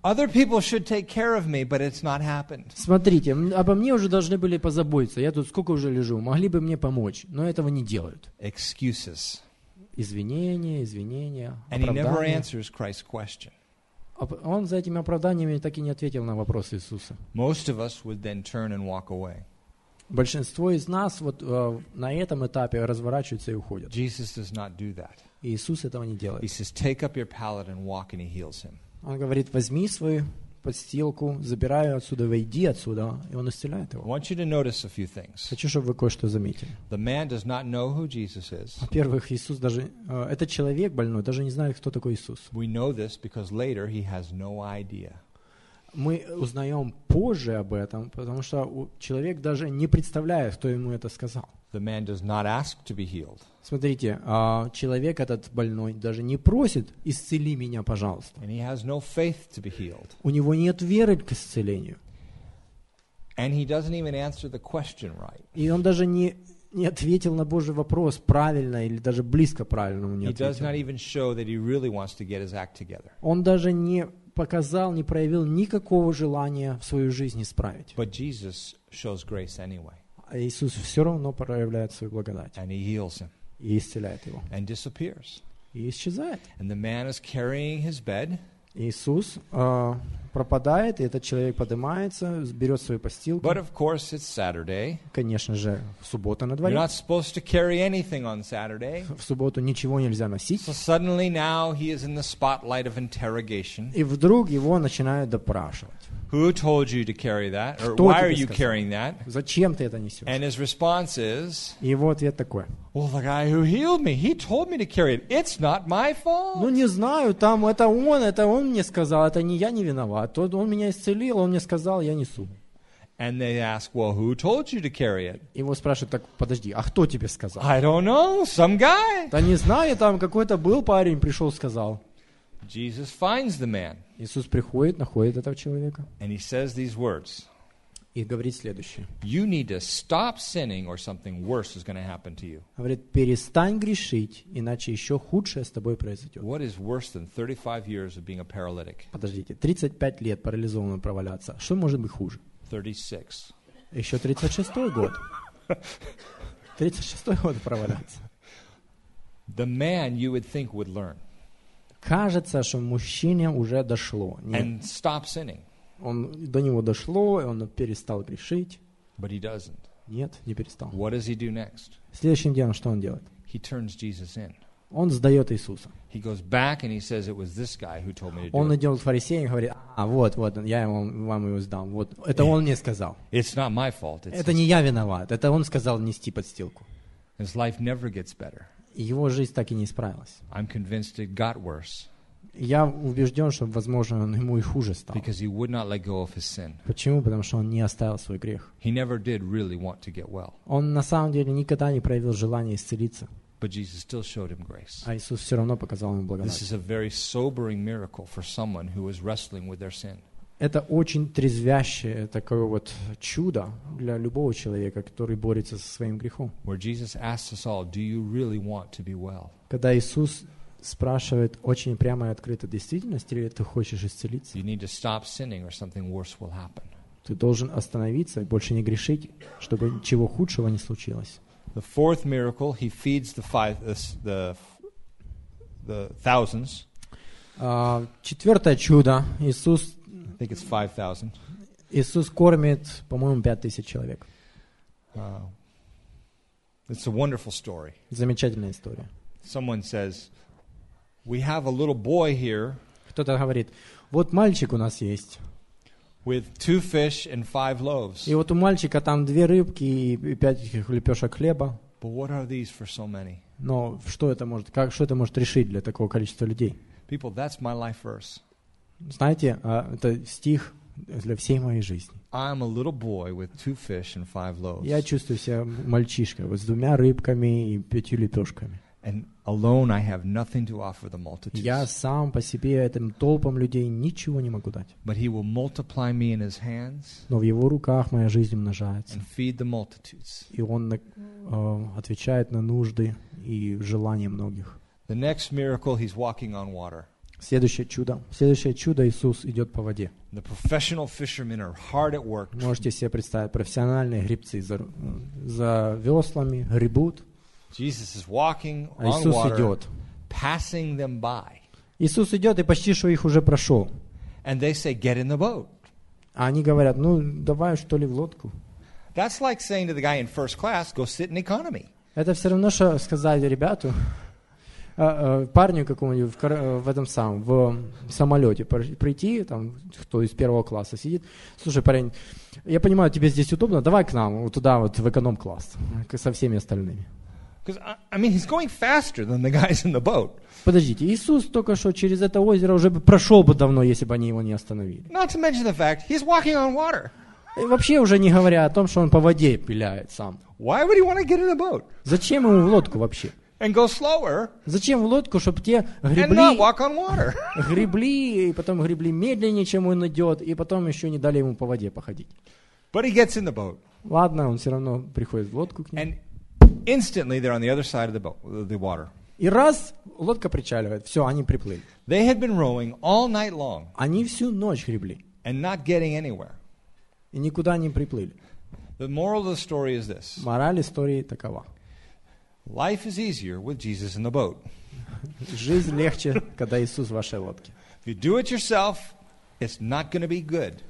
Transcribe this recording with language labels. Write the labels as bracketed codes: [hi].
[en] Other people should take care of me, but it's not happened. [ru] Смотрите, обо мне уже должны были позаботиться. Я тут сколько уже лежу, могли бы мне помочь, но этого не делают. [en] Excuses. [ru] Извинения, [en] and he never answers Christ's question. [ru] Он за этими оправданиями так и не ответил на вопрос Иисуса. [en] Most of us would then turn and walk away. [ru] Большинство из нас вот на этом этапе разворачиваются и уходят. [en] Jesus does not do that. [ru] Иисус этого не делает. [en] He says, take up your pallet and walk, and he heals him. [ru] Он говорит, возьми свою подстилку, забирай отсюда, войди отсюда, и он исцеляет его. [en] I want you to notice a few things. [ru] Хочу, чтобы вы кое-что заметили. [en] The man does not know who Jesus is. [ru] Во-первых, Иисус даже, этот человек больной, даже не знает, кто такой Иисус. [en] We know this because later he has no idea. [ru] Мы узнаем позже об этом, потому что человек даже не представляет, кто ему это сказал. [en] The man does not ask to be healed. [ru] Смотрите, человек этот больной даже не просит «Исцели меня, пожалуйста». [en] And he has no faith to be healed. [ru] У него нет веры к исцелению. [en] And he doesn't even answer the question right. [ru] И он даже не ответил на Божий вопрос правильно или даже близко правильно ему не ответил. [en] He does not even show that he really wants to get his act together. [ru] Он даже не показал, не проявил никакого желания в свою жизнь исправить. [en] But Jesus shows grace anyway. [ru] Иисус все равно проявляет свою благодать. [en] And he heals him. [ru] И исцеляет его. [en] And disappears. [ru] И исчезает. [en] And the man is carrying his bed. [ru] Иисус пропадает, и этот человек поднимается, берет свою постилку. [en] But of course it's Saturday. [ru] Конечно же, суббота на дворе. [en] You're not supposed to carry anything on Saturday. [ru] В субботу ничего нельзя носить. [en] So suddenly now he is in the spotlight of interrogation. [ru] И вдруг его начинают допрашивать. [en] Who told you to carry that? Or [ru] Кто [en] why are you carrying that? [ru] Зачем ты это несешь? [en] And his response is. [ru] И его ответ такой. [en] Well, the guy who healed me, he told me to carry it. It's not my fault. [ru] Ну не знаю, там это он мне сказал, это не я не виноват. Тот он меня исцелил, он мне сказал, я несу. [en] And they ask, well, who told you to carry it? [ru] Его спрашивают, так подожди, а кто тебе сказал? [en] I don't know, some guy. [ru] Да не знаю, там какой-то был парень, пришел, сказал. [en] Jesus finds the man. [ru] Иисус приходит, находит этого человека. [en] And he says these words. [ru] И говорит следующее. [en] You need to stop sinning or something worse is going to happen to you. [ru] Говорит, перестань грешить, иначе еще худшее с тобой произойдет. [en] What is worse than 35 years of being a paralytic? [ru] Подождите, 35 лет парализованным проваляться. Что может быть хуже? [en] 36. [ru] Еще 36-й год. 36-й год проваляться. [en] The man you would think would learn. [ru] Кажется, что мужчине уже дошло. Нет. [en] And stop sinning. [ru] Он до него дошло, и он перестал грешить. [en] But he doesn't. [ru] Нет, не перестал. [en] What does he do next? [ru] Следующим делом, что он делает? [en] He turns Jesus in. [ru] Он сдает Иисуса. [en] He goes back and he says it was this guy who told me to do it. [ru] Он идет к фарисеям и говорит: а вот, вот, я вам его сдам. Вот, это он мне сказал. [en] It's not my fault. [ru] Это не я виноват. Это он сказал нести подстилку. [en] His life never gets better. [ru] Его жизнь так и не исправилась. [en] I'm convinced it got worse. [ru] Я убежден, что, возможно, ему и хуже стало. [en] Because he would not let go of his sin. [ru] Почему? Потому что он не оставил свой грех. [en] He never did really want to get well. [ru] Он на самом деле никогда не проявил желания исцелиться. [en] But Jesus still showed him grace. [ru] А Иисус все равно показал ему благодать. [en] This is a very sobering miracle for someone who is wrestling with their sin. [ru] Это очень трезвящее такое вот чудо для любого человека, который борется со своим грехом. [en] Where Jesus asks us all, do you really want to be well? [ru] Когда Иисус спрашивает очень прямо и открыто, действительно ли ты хочешь исцелиться? [en] You need to stop sinning or something worse will happen. [ru] Ты должен остановиться и больше не грешить, чтобы ничего худшего не случилось. [en] The fourth miracle, he feeds the thousands. [ru] Четвертое чудо. Иисус, [en] I think it's 5,000. [ru] Иисус кормит, по-моему, 5,000 человек. [en] It's a wonderful story. [ru] Замечательная история. [en] Someone says, we have a little boy here. [ru] Кто-то говорит, вот мальчик у нас есть. [en] With two fish and five loaves. [ru] И вот у мальчика там две рыбки и пять лепешек хлеба. [en] But what are these for so many? [ru] Но что это может, как, что это может решить для такого количества людей? [en] People, that's my life verse. [ru] Знаете, это стих для всей моей жизни. [en] I'm a little boy with two fish and five loaves. [ru] Я чувствую себя мальчишкой вот с двумя рыбками и пятью лепешками. [en] And alone I have nothing to offer the multitudes. [ru] Я сам по себе этим толпам людей ничего не могу дать. [en] But he will multiply me in his hands. [ru] Но в его руках моя жизнь умножается. [en] And feed the multitudes. [ru] И он отвечает на нужды и желания многих. [en] The next miracle, he's walking on water. [ru] Следующее чудо. Следующее чудо, Иисус идет по воде. [en] The professional fishermen are hard at work. [ru] Можете себе представить, профессиональные гребцы за веслами гребут. [en] Jesus is walking on water. [ru] Иисус идет. [en] Passing them by. [ru] Иисус идет и почти что их уже прошел. [en] And they say, get in the boat. [ru] А они говорят, ну давай что ли в лодку. [en] That's like saying to the guy in first class, go sit in economy. [ru] Это все равно что сказать ребяту, парню какому-нибудь в этом самом в самолете прийти там кто из первого класса сидит. Слушай, парень, я понимаю, тебе здесь удобно, давай к нам вот туда вот в эконом класс со всеми остальными. [en] Because I mean, he's going faster than the guys in the boat. [ru] Подождите, Иисус только что через это озеро уже бы прошел бы давно, если бы они его не остановили. [en] Not to mention the fact he's walking on water. [ru] И вообще уже не говоря о том, что он по воде пиляет сам. [en] Why would he want to get in a boat? [ru] Зачем ему в лодку вообще? [en] And go slower. [ru] Зачем в лодку, чтобы те гребли? [en] And not walk on water. [ru] Гребли и потом гребли медленнее, чем он идет, и потом еще не дали ему по воде походить. [en] But he gets in the boat. [ru] Ладно, он все равно приходит в лодку к ним. [en] Instantly, they're on the other side of the boat, the water. [ru] И раз лодка причаливает, все, они приплыли. [en] They had been rowing all night long. [ru] Они всю ночь гребли. [en] And not getting anywhere. [ru] И никуда не приплыли. [en] The moral of the story is this. [ru] Мораль истории такова. [en] Life is easier with Jesus in the boat. [ru] Жизнь легче, когда Иисус в вашей лодке. [en] If you do it yourself, it's not going to be good.